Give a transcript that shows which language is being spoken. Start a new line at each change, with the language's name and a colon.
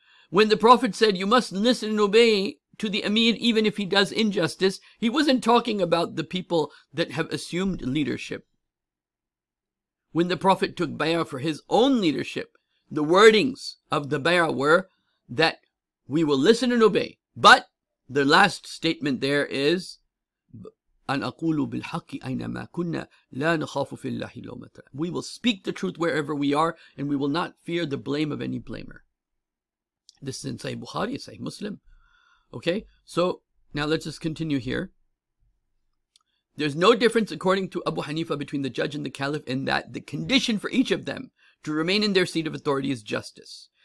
English: When the Prophet said, you must listen and obey to the Amir even if he does injustice, he wasn't talking about the people that have assumed leadership. When the Prophet took bayah for his own leadership, the wordings of the bayah were that we will listen and obey. But the last statement there is,
Arabic: أن أقول بالحق أينما كنا لا نخاف في الله لومة.
English: We will speak the truth wherever we are, and we will not fear the blame of any blamer. This is in Sahih Bukhari, Sahih Muslim. Okay, so now let's just continue here. There's no difference, according to Abu Hanifa, between the judge and the caliph in that the condition for each of them to remain in their seat of authority is justice.